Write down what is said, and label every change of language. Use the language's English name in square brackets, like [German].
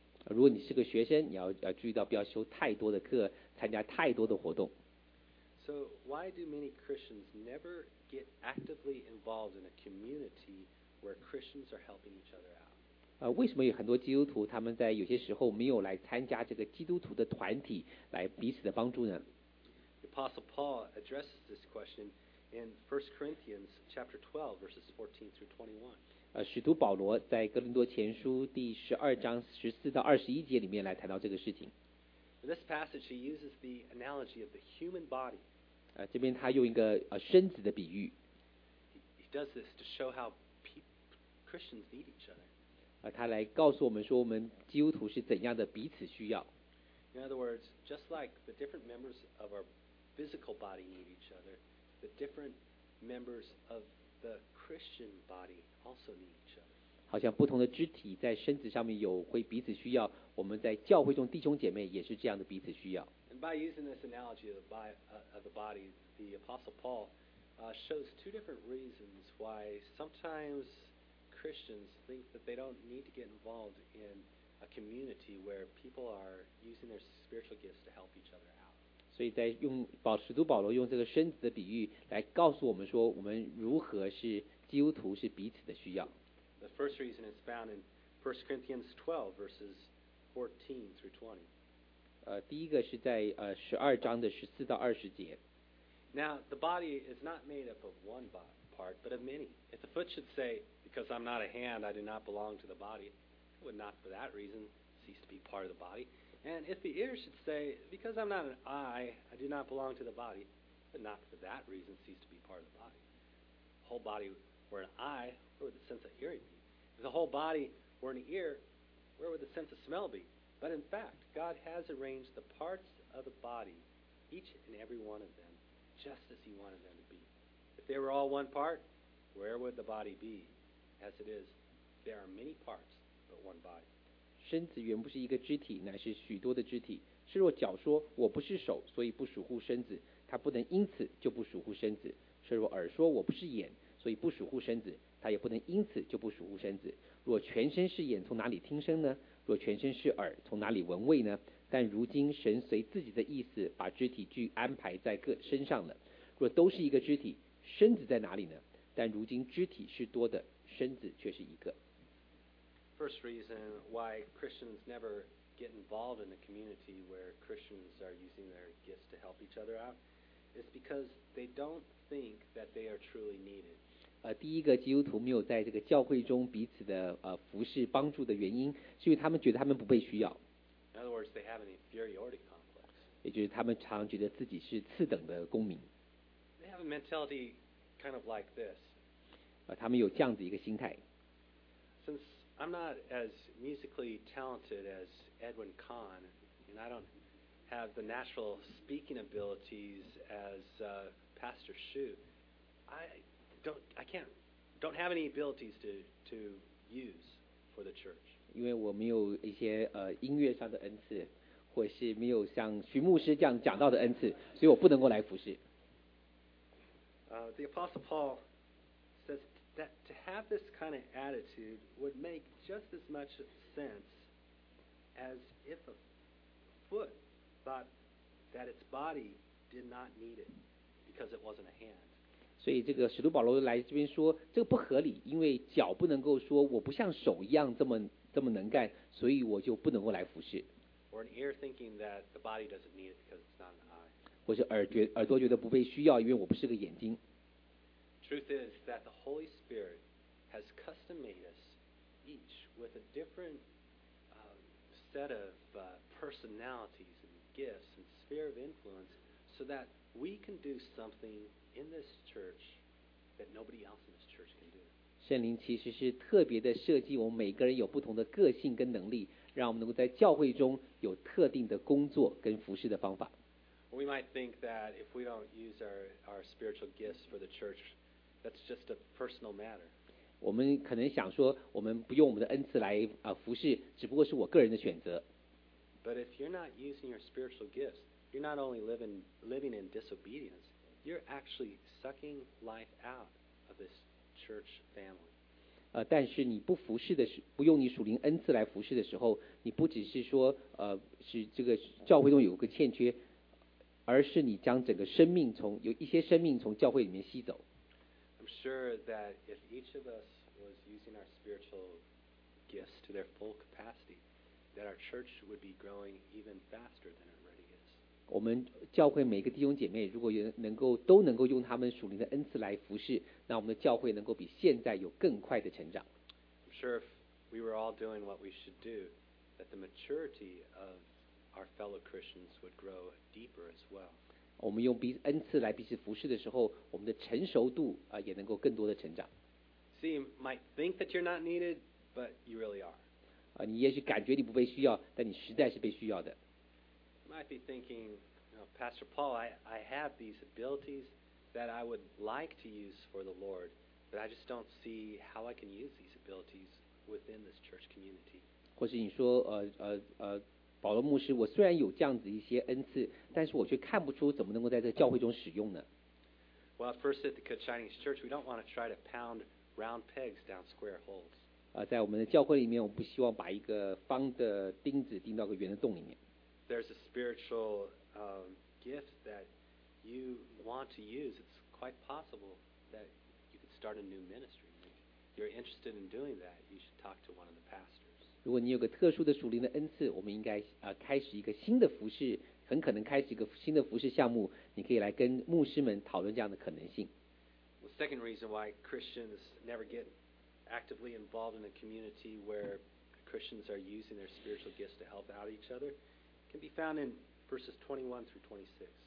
[Chinese] 如果你是个学生，你要注意到不要修太多的课，参加太多的活动。 [English] So why do many Christians never get actively involved in a community where Christians are helping each other out? [Chinese] 为什么有很多基督徒他们在有些时候没有来参加这个基督徒的团体来彼此的帮助呢？ [English] The Apostle Paul addresses this question in 1 Corinthians chapter 12 verses 14 through 21. [Chinese] 使徒保罗在哥林多前书第十二章十四到二十一节里面来谈到这个事情。 [English] In this passage, he uses the analogy of the human body. [Chinese] 这边他用一个身子的比喻。 [English] He does this to show how Christians need each other. [Chinese] 他来告诉我们说，我们基督徒是怎样的彼此需要。 [English] In other words, just like the different members of our physical body need each other, the different members of the Christian body. Also need each other. [Chinese] 好像不同的肢体在身子上面有会彼此需要，我们在教会中弟兄姐妹也是这样的彼此需要。 [English] And by using this analogy of the body, the Apostle Paul shows two different reasons why sometimes Christians think that they don't need to get involved in a community where people are using their spiritual gifts to help each other. [Chinese] 所以在用使徒保罗用这个身子的比喻来告诉我们说，我们如何是基督徒是彼此的需要。 [English] The first reason is found in 1 Corinthians 12 verses 14 through 20. [Chinese] 第一个是在十二章的十四到二十节。 [English] Now the body is not made up of one part, but of many. If the foot should say, "Because I'm not a hand, I do not belong to the body," it would not for that reason cease to be part of the body. And if the ear should say, because I'm not an eye, I do not belong to the body, but not for that reason cease to be part of the body. The whole body were an eye, where would the sense of hearing be? If the whole body were an ear, where would the sense of smell be? But in fact, God has arranged the parts of the body, each and every one of them, just as he wanted them to be. If they were all one part, where would the body be? As it is, There are many parts, but one body. [Chinese] 身子原不是一个肢体，乃是许多的肢体。是若脚说，我不是手，所以不属乎身子，他不能因此就不属乎身子。是若耳说，我不是眼，所以不属乎身子，他也不能因此就不属乎身子。若全身是眼，从哪里听声呢？若全身是耳，从哪里闻味呢？但如今神随自己的意思，把肢体俱安排在各身上了。若都是一个肢体，身子在哪里呢？但如今肢体是多的，身子却是一个。 [English] First reason why Christians never get involved in a community where Christians are using their gifts to help each other out is because they don't think that they are truly needed. [Chinese] 第一个基督徒没有在这个教会中彼此的服侍帮助的原因，是因为他们觉得他们不被需要。 [English] In other words, they have an inferiority complex. [Chinese] 也就是他们常觉得自己是次等的公民。 [English] They have a mentality kind of like this. [Chinese] 他们有这样子一个心态。 [English] Since I'm not as musically talented as Edwin Kahn, and I don't have the natural speaking abilities as Pastor Shu, I don't have any abilities to use for the church. [Chinese] 因为我没有一些音乐上的恩赐，或是没有像徐牧师这样讲到的恩赐，所以我不能够来服侍。 [English] The Apostle Paul says that to have this kind of attitude would make just as much sense as if a foot thought that its body did not need it because it wasn't a hand. [Chinese] 所以这个使徒保罗来这边说，这个不合理，因为脚不能够说我不像手一样这么能干，所以我就不能够来服侍。 [English] Or an ear thinking that the body doesn't need it because it's not an eye. [Chinese] 或是耳朵觉得不被需要，因为我不是个眼睛。 [English] Truth is that the Holy Spirit has custom made us each with a different set of personalities and gifts and sphere of influence so that we can do something in this church that nobody else in this church can do. [Chinese] 圣灵其实是特别的设计，我们每个人有不同的个性跟能力，让我们能够在教会中有特定的工作跟服侍的方法。 [English] We might think that if we don't use our spiritual gifts for the church,That's just a personal matter. [Chinese] 我们可能想说，我们不用我们的恩赐来服侍，只不过是我个人的选择。 [English] But if you're not using your spiritual gifts, you're not only living in disobedience, you're actually sucking life out of this church family. [Chinese] 但是你不服侍的时，不用你属灵恩赐来服侍的时候，你不只是说是这个教会中有个欠缺，而是你将整个生命从有一些生命从教会里面吸走。 [English] I'm sure that if each of us was using our spiritual gifts to their full capacity, that our church would be growing even faster than it already is. [Chinese] 我们教会每个弟兄姐妹如果都能够用他们属灵的恩赐来服侍，那我们的教会能够比现在有更快的成长。 [English] I'm sure if we were all doing what we should do, that the maturity of our fellow Christians would grow deeper as well. [Chinese] 我们用恩赐来彼此服侍的时候，我们的成熟度也能够更多的成长。 [English] See, you might think that you're not needed, but you really are. [Chinese] 你也许感觉你不被需要，但你实在是被需要的。 [English] You might be thinking, you know, Pastor Paul, I have these abilities that I would like to use for the Lord, but I just don't see how I can use these abilities within this church community. [Chinese] 或是你说保罗牧师，我虽然有这样子一些恩赐，但是我却看不出怎么能够在这个教会中使用呢？ [English] Well, first at the Chinese church, we don't want to try to pound round pegs down square holes. [Chinese] 在我们的教会里面，我不希望把一个方的钉子钉到个圆的洞里面。 [English] There's a spiritual gift that you want to use. It's quite possible that you could start a new ministry. If you're interested in doing that, you should talk to one of the pastors. [Chinese] 如果你有个特殊的属灵的恩赐，我们应该开始一个新的服事，很可能开始一个新的服事项目，你可以来跟牧师们讨论这样的可能性。 [English] The second reason why Christians never get actively involved in a community where Christians are using their spiritual gifts to help out each other can be found in verses 21 through 26.